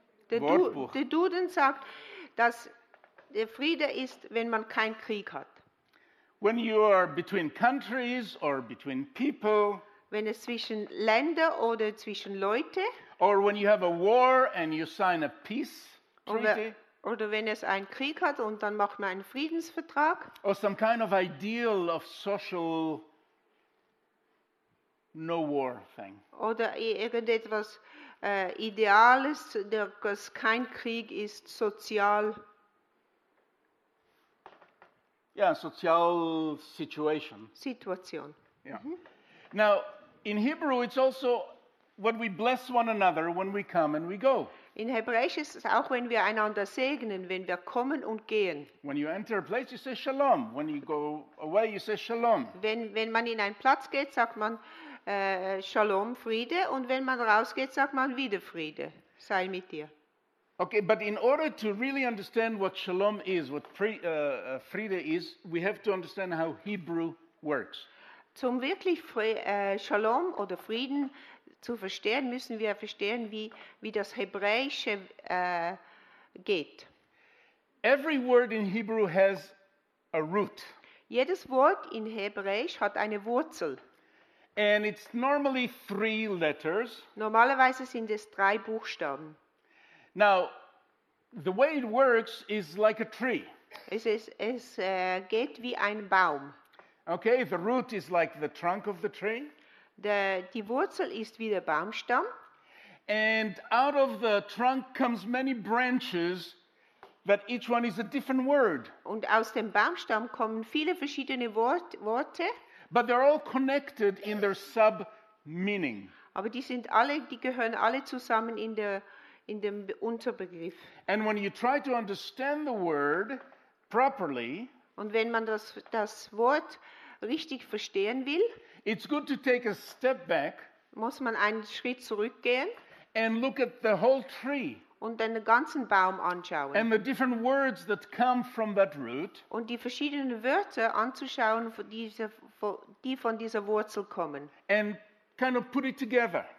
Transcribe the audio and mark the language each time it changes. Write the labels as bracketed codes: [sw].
[de] Der Duden sagt, dass der Friede ist, wenn man keinen Krieg hat. [en] When you are between countries or between people. [de] Wenn es zwischen Länder oder zwischen Leute. [en] Or when you have a war and you sign a peace treaty. [de] Oder wenn es einen Krieg hat und dann macht man einen Friedensvertrag. [en] Or some kind of ideal of social no war thing. [de] Oder irgendetwas Ideales, dass kein Krieg ist, sozial. Ja, sozial Situation. Situation. Ja. Mm-hmm. [en] Now, in Hebrew it's also what we bless one another when we come and we go. [de] In Hebräisch ist es auch, wenn wir einander segnen, wenn wir kommen und gehen. [en] When you enter a place, you say shalom. When you go away, you say shalom. [de] Wenn man in einen Platz geht, sagt man shalom, Friede. Und wenn man rausgeht, sagt man wieder Friede. Sei mit dir. [en] Okay, but in order to really understand what shalom is, what Friede is, we have to understand how Hebrew works. [de] Zum wirklich Shalom oder Frieden zu verstehen, müssen wir verstehen, wie das Hebräische geht. [en] Every word in Hebrew has a root. [de] Jedes Wort in Hebräisch hat eine Wurzel. [en] And it's normally 3 letters. [de] Normalerweise sind es 3 Buchstaben. [en] Now, the way it works is like a tree. [de] Es geht wie ein Baum. [en] Okay, the root is like the trunk of the tree. [de] Die Wurzel ist wie der Baumstamm. [en] And out of the trunk comes many branches, that each one is a different word. [de] Und aus dem Baumstamm kommen viele verschiedene Worte. [en] But they're all connected in their sub-meaning. [de] Aber die sind alle, die gehören alle zusammen in der in dem Unterbegriff. [en] And when you try to understand the word properly, [de] und wenn man das Wort richtig verstehen will, [en] it's good to take a step back, [de] muss man einen Schritt zurückgehen, [en] and look at the whole tree, [de] und dann den ganzen Baum anschauen, [en] and the different words that come from that root, [de] und die verschiedenen Wörter anzuschauen, die von dieser Wurzel kommen, [en] and kind of put it together,